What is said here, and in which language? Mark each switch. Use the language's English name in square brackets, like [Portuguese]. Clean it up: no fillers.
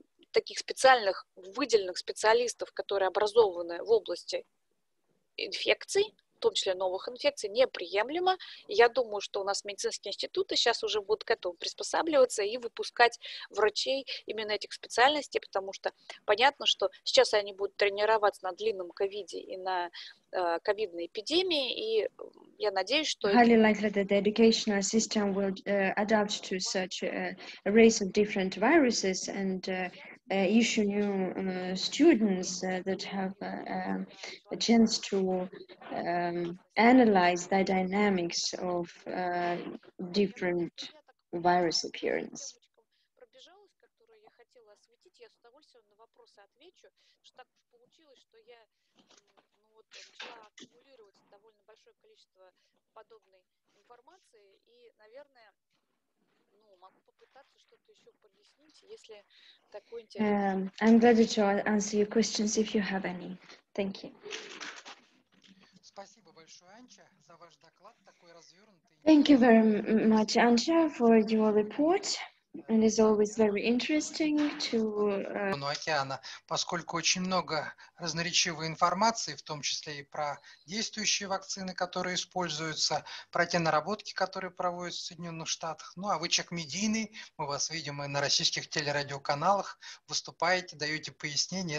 [Russian] таких специальных, выделенных специалистов, которые образованы в области инфекций, в том числе новых инфекций, неприемлемо. Я думаю, что у нас медицинские институты сейчас уже будут к этому приспосабливаться и выпускать врачей именно этих специальностей, потому что понятно, что сейчас они будут тренироваться на длинном ковиде и на ковидной эпидемии, и я надеюсь, что... [English] Highly likely that the educational system will adapt to such a race of different viruses and issue new students that have a chance to analyze the dynamics of different virus appearance. [Russian] Пробежалась, которую я хотела осветить, я с удовольствием на вопросы отвечу, что так получилось, что я вот начала аккумулировать довольно большое количество подобной информации, и, наверное, ну, могу попытаться что-то еще пояснить, если такой интересный. [English] I'm glad to answer your questions if you have any. Thank you. [Russian] Спасибо большое, Анча, за ваш доклад, такой развернутый. [English] Thank you very much, Anja, for your report. And it's always very interesting to... [Russian] ...ну, океана, поскольку очень много разноречивой информации, в том числе и про действующие вакцины, которые используются, про те наработки, которые проводятся в Соединенных Штатах. Ну, а вы человек медийный, мы вас видим и на российских телерадиоканалах, выступаете, даете пояснения.